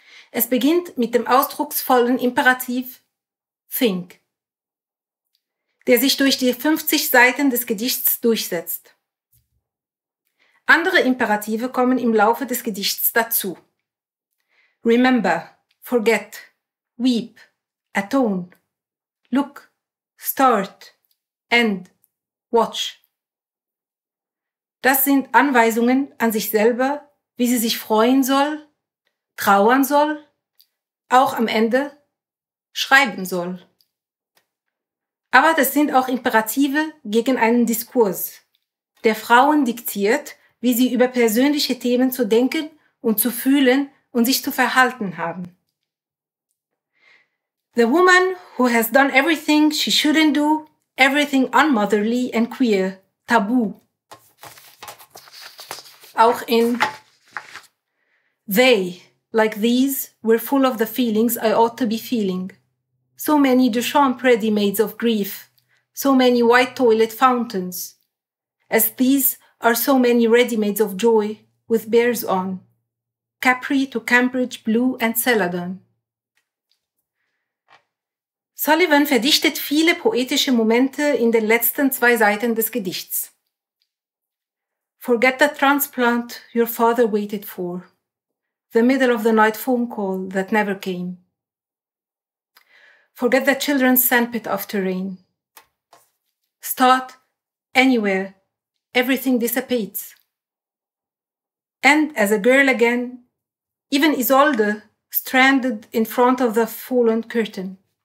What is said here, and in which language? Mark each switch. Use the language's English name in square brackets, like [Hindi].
[German] Es beginnt mit dem ausdrucksvollen Imperativ »Think«, der sich durch die 50 Seiten des Gedichts durchsetzt. Andere Imperative kommen im Laufe des Gedichts dazu. [English] »Remember«, »Forget«, »Weep«, »Atone«, »Look«, »Start«, »End«, »Watch«. [German] Das sind Anweisungen an sich selber, wie sie sich freuen soll, trauern soll, auch am Ende schreiben soll. Aber das sind auch Imperative gegen einen Diskurs, der Frauen diktiert, wie sie über persönliche Themen zu denken und zu fühlen und sich zu verhalten haben. [English] The woman who has done everything she shouldn't do, everything unmotherly and queer, taboo. [German] Auch in [English] They, like these, were full of the feelings I ought to be feeling. So many Duchamp ready-mades of grief, so many white toilet fountains, as these are so many ready-mades of joy with bears on, Capri to Cambridge blue and Celadon. [German] Sullivan verdichtet viele poetische Momente in den letzten zwei Seiten des Gedichts. [English] Forget the transplant your father waited for, the middle of the night phone call that never came. Forget the children's sandpit of terrain. Start anywhere. Everything dissipates. And as a girl again, even Isolde stranded in front of the fallen curtain.